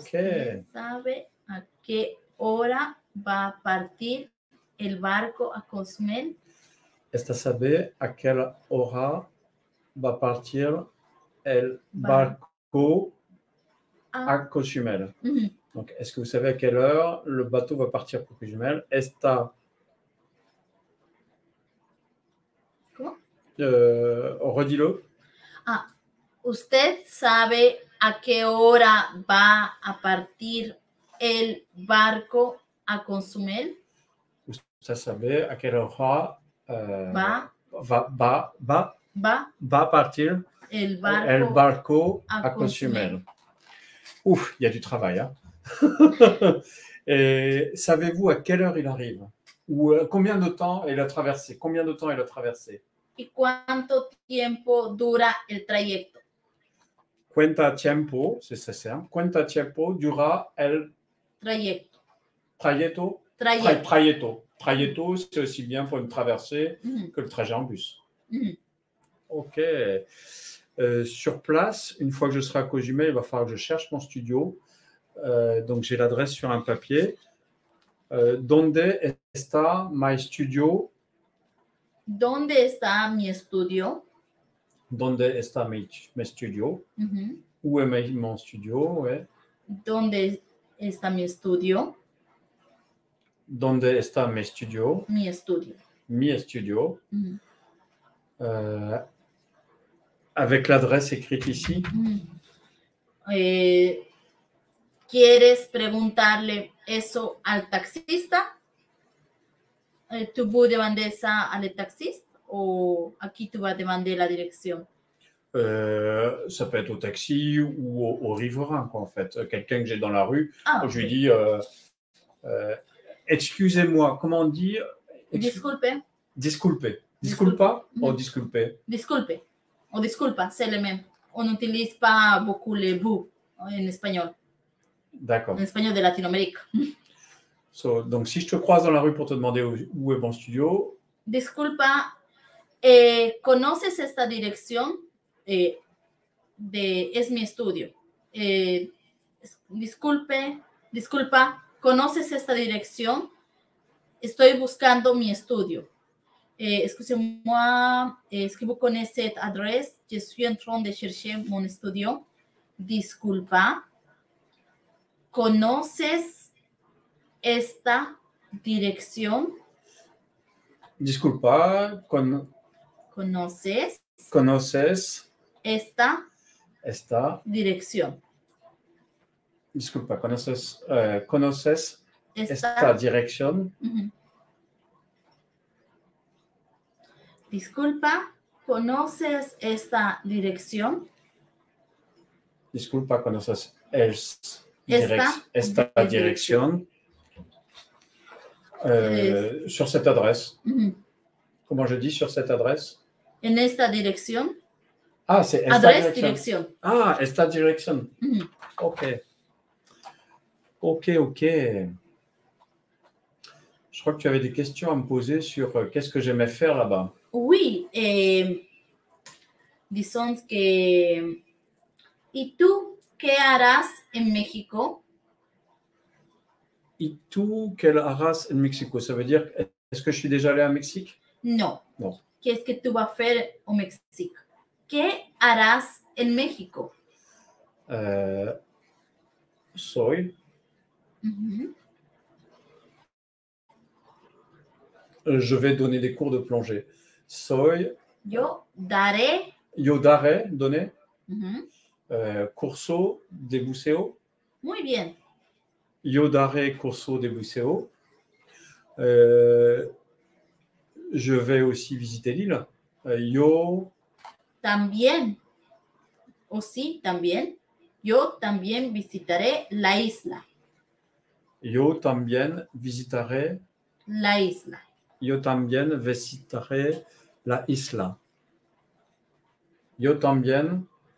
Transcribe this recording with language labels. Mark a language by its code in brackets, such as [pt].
[es] ¿Usted sabe a qué hora va a partir el barco a Cozumel? ¿Usted sabe a qué hora va a partir el barco a Cozumel? [fr] Donc, est-ce que vous savez à quelle heure le bateau va partir pour Cozumel? [es] Esta. [fr] Comment? Redis-le. [es] Ah, usted sabe a qué hora va a partir el barco a Cozumel? Usted sabe a [fr] quelle heure [es] va partir el barco [fr] a Cozumel. Ouf, il y a du travail, hein? Et savez-vous à quelle heure il arrive? Ou combien de temps il a traversé? Combien de temps il a traversé? [es] ¿Y cuánto tiempo dura el trayecto? ¿Cuánto tiempo, [fr] c'est ça, c'est, hein? [es] ¿Cuánto tiempo dura el trayecto? Trayecto. Trayecto. Trayecto. [fr] Trayecto, c'est aussi bien pour une traversée que le trajet en bus. Ok. Sur place, une fois que je serai à Cozumel, il va falloir que je cherche mon studio. Donc, j'ai l'adresse sur un papier. [es] ¿Dónde está mi estudio? ¿Dónde está mi estudio? ¿Dónde está mi estudio? [fr] Où est mon studio? Ouais. [es] ¿Dónde está mi estudio? ¿Dónde está mi estudio? Mi estudio. Mi estudio. [fr] Avec l'adresse écrite ici. [es] ¿Quieres preguntarle eso al taxista? ¿Tú vas a demandar eso al taxista? ¿O aquí tú vas a demandar la dirección? [fr] Ça peut être au taxi ou au riverain, quoi, en fait. Quelqu'un que j'ai dans la rue, okay. Je lui dis, excusez-moi, comment on dit? [es] Disculpe. Disculpe. Disculpa ou disculpe? Disculpe. O disculpa, [fr] c'est le même. On n'utilise pas beaucoup le vous en espagnol. D'accord. En espagnol de Latinoamérique. So, donc, si je te croise dans la rue pour te demander où est mon studio. [es] Disculpa, ¿conoces esta dirección? Es mi estudio. Disculpa, ¿conoces esta dirección? Estoy buscando mi estudio. [fr] Excusez-moi, est-ce que vous connaissez cette adresse? Je suis en train de chercher mon studio. [es] Disculpa. ¿Conoces esta dirección? Disculpa. ¿Conoces? ¿Conoces? Esta. Esta. Dirección. Disculpa. ¿Conoces? ¿Conoces esta dirección? Disculpa, ¿conoces esta dirección? Disculpa, ¿conoces esta dirección? [fr] Sur cette adresse. Comment je dis sur cette adresse? [es] En esta dirección. [fr] Ah, c'est [es] esta adresse, dirección. Ah, esta dirección. Ok. Ok, ok. [fr] Je crois que tu avais des questions à me poser sur qu'est-ce que j'aimais faire là-bas. Oui, disons que. [es] ¿Y tú qué harás en México? Y tú, ¿qué harás en México? [fr] Ça veut dire, est-ce que je suis déjà allé à Mexique? Non. Bon. Qu'est-ce que tu vas faire au Mexique? [es] ¿Qué harás en México? Soy. [fr] Je vais donner des cours de plongée. [es] Soy. Yo daré. Yo daré, donner. Curso de buceo. Muy bien. Yo daré curso de buceo. [fr] Je vais aussi visiter l'île. [es] Yo. También. Aussi, también. Yo también visitaré la isla. Yo también visitaré la isla. Yo también visitaré la isla. Yo también